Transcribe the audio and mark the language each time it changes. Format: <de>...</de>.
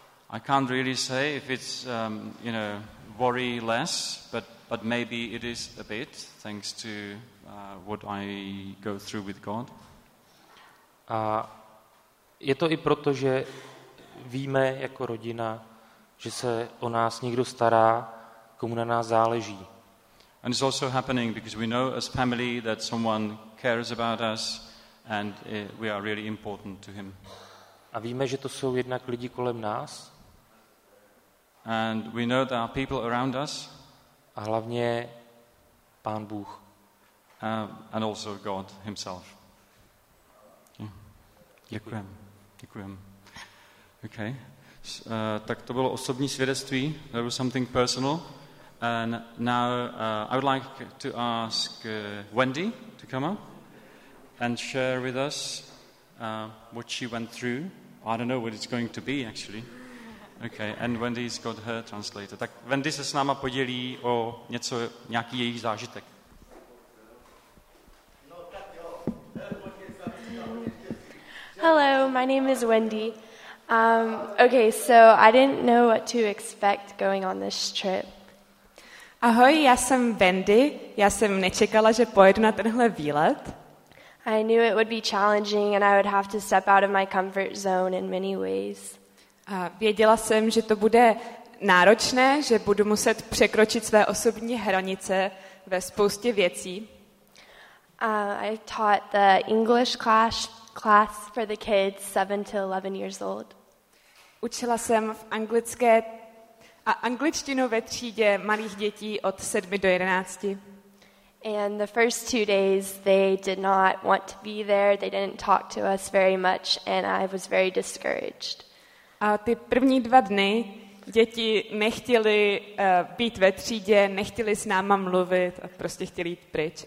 <en>I can't really say if it's worry less, but But maybe it is a bit thanks to what I go through with God.</en> <cs>A je to i proto, že víme jako rodina, že se o nás někdo stará, komu na nás záleží.</cs> <en>And it's also happening because we know as family that someone cares about us and we are really important to him.</en> <cs>A víme, že to jsou jednak lidi kolem nás.</cs> <en>And we know there are people around us.</en> <cs>A hlavně Pán Bůh.</cs> <en>And also God himself.</en> <cs>Děkujem. Děkujem. Okay. Tak to bylo osobní svědectví.</cs> <en>That was something personal. And now I would like to ask Wendy to come up and share with us what she went through. I don't know what it's going to be actually. Okay, and Wendy's got her translator.</en> <cs>Tak Wendy se s náma podělí o něco, nějaký její zážitek.</cs> <en>Hello, my name is Wendy. Okay, so I didn't know what to expect going on this trip.</en> <cs>Ahoj, já jsem Wendy. Já jsem nečekala, že pojedu na tenhle výlet.</cs> <en>I knew it would be challenging and I would have to step out of my comfort zone in many ways.</en> <cs>A věděla jsem, že to bude náročné, že budu muset překročit své osobní hranice ve spoustě věcí.</cs> <en>I taught the English class for the kids 7 to 11 years old.</en> <cs>Učila jsem v anglické a angličtinu ve třídě malých dětí od 7 do 11.</cs> <en>And the first 2 days they did not want to be there. They didn't talk to us very much and I was very discouraged.</en> <cs>A ty první 2 dny děti nechtěli být ve třídě, nechtěli s náma mluvit a prostě chtěli jít pryč.</cs>